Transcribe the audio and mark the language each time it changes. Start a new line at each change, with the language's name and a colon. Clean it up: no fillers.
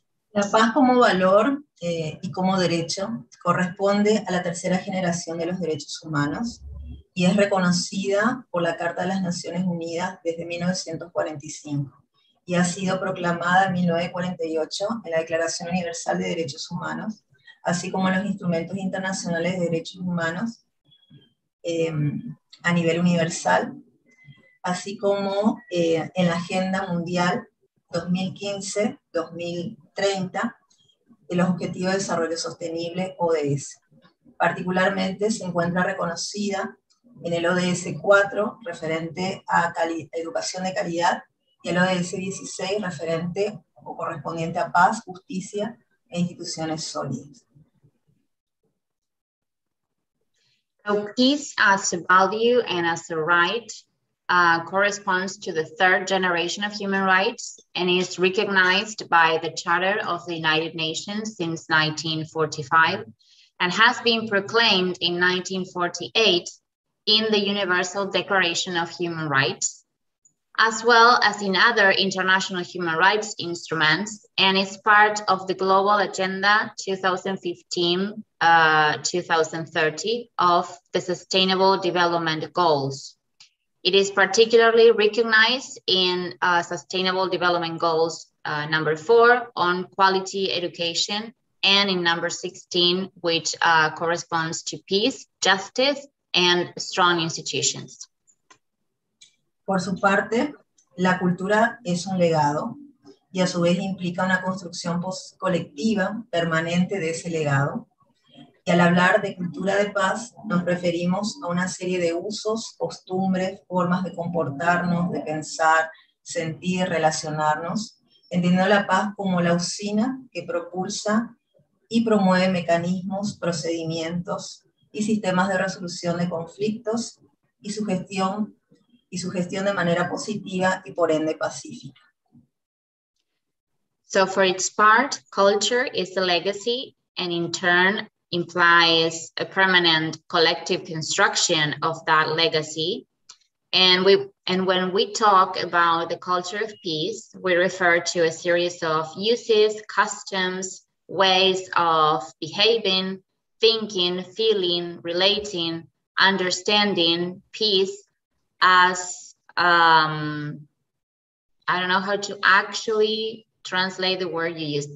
Spanish: La paz como valor y como derecho corresponde a la tercera generación de los derechos humanos y es reconocida por la Carta de las Naciones Unidas desde 1945 y ha sido proclamada en 1948 en la Declaración Universal de Derechos Humanos, así como en los instrumentos internacionales de derechos humanos a nivel universal, así como en la Agenda Mundial 2015-2030 de los Objetivos de Desarrollo Sostenible, ODS. Particularmente se encuentra reconocida en el ODS 4, referente a educación de calidad, y el ODS 16, referente o correspondiente a paz, justicia e instituciones sólidas.
English: So peace as a value and as a right corresponds to the third generation of human rights and is recognized by the Charter of the United Nations since 1945 and has been proclaimed in 1948 in the Universal Declaration of Human Rights, as well as in other international human rights instruments, and is part of the Global Agenda 2015-2030 of the Sustainable Development Goals. It is particularly recognized in Sustainable Development Goals number 4 on quality education, and in number 16, which corresponds to peace, justice, and strong institutions.
Spanish: Por su parte, la cultura es un legado y a su vez implica una construcción colectiva permanente de ese legado. Y al hablar de cultura de paz, nos referimos a una serie de usos, costumbres, formas de comportarnos, de pensar, sentir, relacionarnos, entendiendo la paz como la usina que propulsa y promueve mecanismos, procedimientos y sistemas de resolución de conflictos y su gestión de manera positiva y por ende pacífica.
English: So for its part, culture is a legacy and in turn implies a permanent collective construction of that legacy. And when we talk about the culture of peace, we refer to a series of uses, customs, ways of behaving, thinking, feeling, relating, understanding peace as, I don't know how to actually translate the word you used.